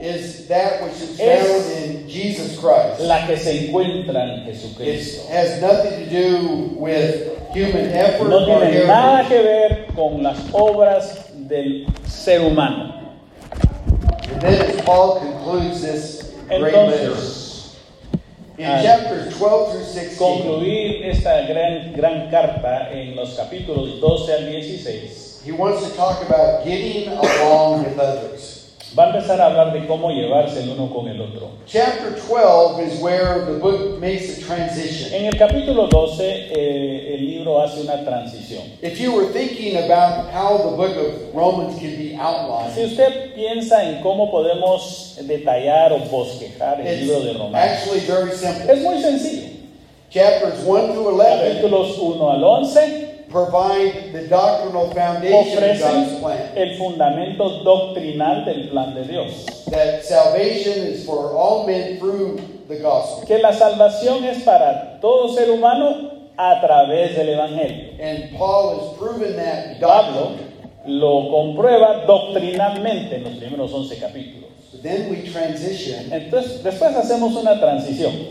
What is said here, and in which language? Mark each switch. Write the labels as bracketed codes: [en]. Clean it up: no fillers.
[en] is that which is found in Jesus Christ. [es] La que se encuentra en Jesucristo. [en] It has nothing to do with human effort. [es] No tiene nada que ver con las obras del ser humano. [en] And then Paul concludes this [es] entonces, [en] great letter. In chapters 12 through 16. [es] Concluir esta gran carta en los capítulos 12 al 16. [en] He wants to talk about getting along with others. [es] Va a empezar a hablar de cómo llevarse el uno con el otro. [en] Chapter 12 is where the book makes a transition. [es] En el capítulo 12, el libro hace una transición. [en] If you were thinking about how the book of Romans can be outlined. [es] Si usted piensa en cómo podemos detallar o bosquejar el libro de Romanos. [en] Actually very simple. [es] Es muy sencillo. [en] Chapters 1 through 11. [es] Capítulos 1 al 11. [en] Provide the doctrinal foundation of God's plan. [es] El fundamento doctrinal del plan de Dios. [en] That salvation is for all men through the gospel. [es] Que la salvación es para todo ser humano a través del evangelio. [en] And Paul has proven that [es] Pablo lo comprueba doctrinalmente en los primeros 11 capítulos. [en] But then we transition. [es] Entonces, después hacemos una transición.